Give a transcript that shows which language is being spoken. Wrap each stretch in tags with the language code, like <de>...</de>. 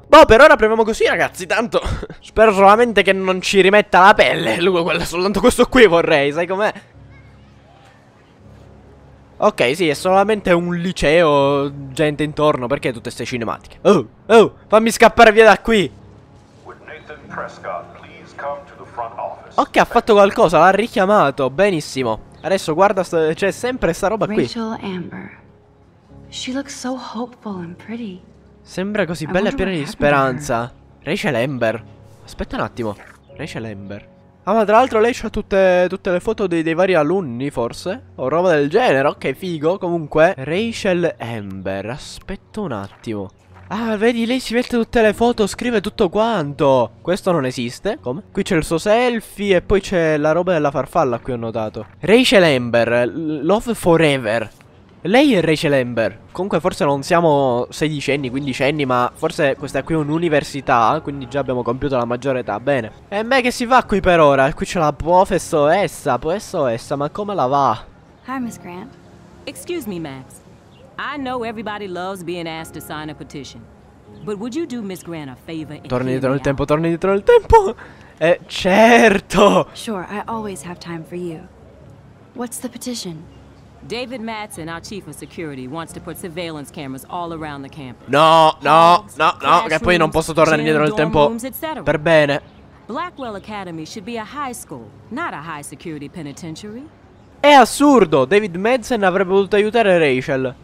<it>Boh, per ora proviamo così, ragazzi, tanto... Spero solamente che non ci rimetta la pelle. Lui, quello, soltanto questo qui vorrei, sai com'è? Ok, sì, è solamente un liceo, gente intorno, perché tutte ste cinematiche? Oh, fammi scappare via da qui!</it> <en>With Nathan Prescott, please come to the front office.</en> <it>Ok, ha fatto qualcosa, l'ha richiamato, benissimo. Adesso guarda, c'è sempre sta roba qui.</it> <en>Rachel Amber. She looks so hopeful and pretty.</en> <it>Sembra così bella e piena di speranza. Rachel Amber. Aspetta un attimo. Rachel Amber. Ah, ma tra l'altro lei c'ha tutte le foto dei vari alunni, forse? O roba del genere. Ok, figo. Comunque, Rachel Amber. Aspetta un attimo. Ah, vedi, lei si mette tutte le foto, scrive tutto quanto. Questo non esiste. Come? Qui c'è il suo selfie e poi c'è la roba della farfalla, qui ho notato. Rachel Amber,</it> <en>love forever.</en> <it>Lei è Rachel Amber. Comunque forse non siamo sedicenni, quindicenni, ma forse questa qui è un'università, quindi già abbiamo compiuto la maggiore età, bene. E beh, che si fa qui per ora? Qui c'è la professoressa, professoressa, ma come la va?</it> <en>Hi, Miss Grant. Excuse me, Max. I know everybody loves being asked to sign a petition, but would you do Miss Grant a favor?</en> <it>Torni dietro nel tempo, torni dietro nel tempo. Certo.</it> <en>Sure, I always have time for you. What's the petition? David Mattson, our chief of security, wants to put surveillance cameras all around the campus.</en> <it>No, che poi non posso tornare indietro nel tempo. Per bene.</it> <en>Blackwell Academy should be a high school, not a high security penitentiary.</en> <it>È assurdo, David Mattson avrebbe potuto aiutare Rachel.</it>